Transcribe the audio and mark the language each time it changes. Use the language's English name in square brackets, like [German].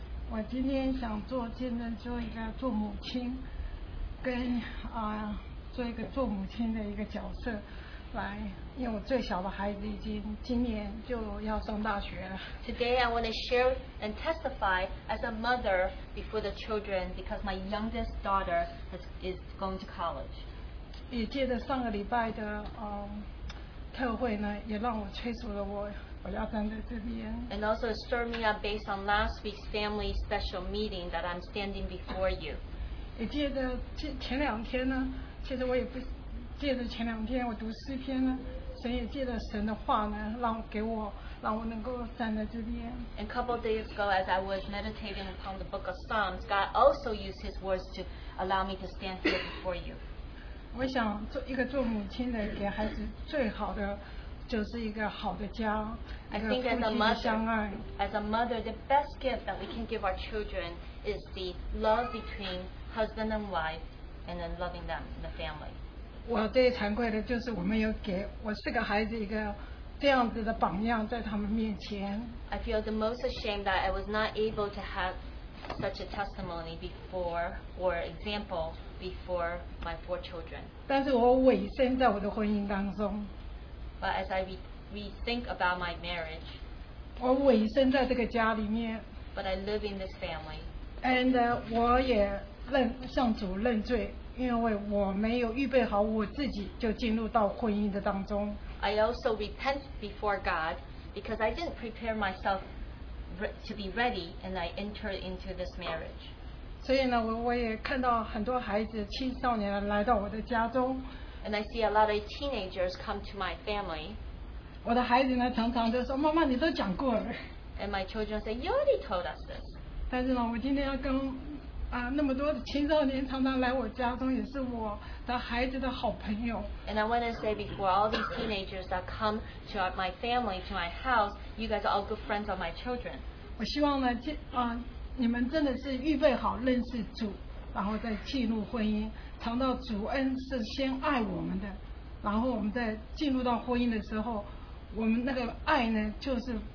[Chinese] 我今天想做见证，做一个做母亲，跟做一个做母亲的一个角色来，因为我最小的孩子已经今年就要上大学了。 [English] Today I want to share and testify as a mother before the children because my youngest daughter is going to college. [Chinese] 也借着上个礼拜的特会呢，也让我催促了我要站在这边。 [English] And also stir me up based on last week's family special meeting that I'm standing before you. [Chinese] 也借着前两天呢，其实我也不借着前两天我读诗篇呢，神也借着神的话呢，让我能够站在这边。 [English] And a couple of days ago, as I was meditating upon the book of Psalms, God also used His words to allow me to stand here before you. [Chinese] 我想做一个做母亲的，给孩子最好的就是一个好的家，一个夫妻相爱。 [English] As a mother, the best gift that we can give our children is the love between husband and wife, and then loving them in the family. [Chinese] 我最惭愧的就是我没有给我四个孩子一个这样子的榜样在他们面前。 [English] I feel the most ashamed that I was not able to have such a testimony before or example. Before my four children. [Chinese] 但是我委身在我的婚姻当中。 [English] But as I rethink about my marriage, [Chinese] 我委身在这个家里面。 [English] But I live in this family. [Chinese] And 我也向主认罪，因为我没有预备好我自己就进入到婚姻的当中。 [English] I also repent before God because I didn't prepare myself to be ready and I entered into this marriage. [Chinese] 所以呢，我也看到很多孩子、青少年来到我的家中。 [English] And I see a lot of teenagers come to my family. [Chinese] 我的孩子呢，常常就说：“妈妈，你都讲过了。 [English] ”And my children say, "You already told us this." [Chinese] 但是呢，我今天要跟那么多的青少年常常来我家中，也是我的孩子的好朋友。 [English] And I want to say before all these teenagers that come to my family, to my house, you guys are all good friends of my children. [Chinese] 我希望呢，你们真的是预备好认识主，然后再进入婚姻，尝到主恩是先爱我们的，然后我们在进入到婚姻的时候，我们那个爱呢，就是